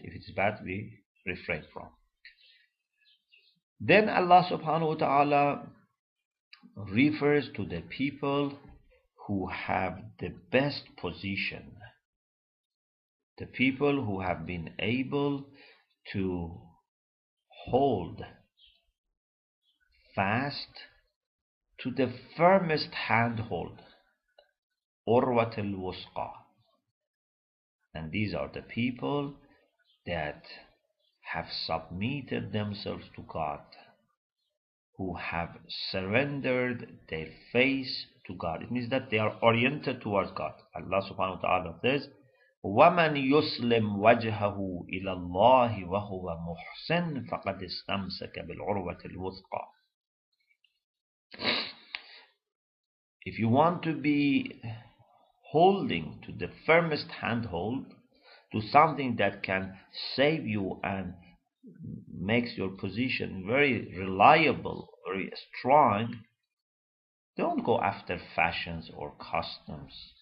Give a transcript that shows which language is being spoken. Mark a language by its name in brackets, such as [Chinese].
[English] If it's bad, we refrain from. Then Allah subhanahu wa ta'ala refers to the people who have the best position, the people who have been able to hold fast to the firmest handhold, Urwatul Wusqa. And these are the people that have submitted themselves to God, who have surrendered their face to God. It means that they are oriented towards God. [Arabic] Allah subhanahu wa ta'ala says, وَمَنْ يُسْلِمْ وَجْهَهُ إِلَى اللَّهِ وَهُوَ مُحْسِنٌ فَقَدْ اسْتَمْسَكَ بِالْعُرْوَةِ الْوُثْقَى. [English] If you want to be holding to the firmest handhold, to something that can save you and makes your position very reliable, very strong, don't go after fashions or customs.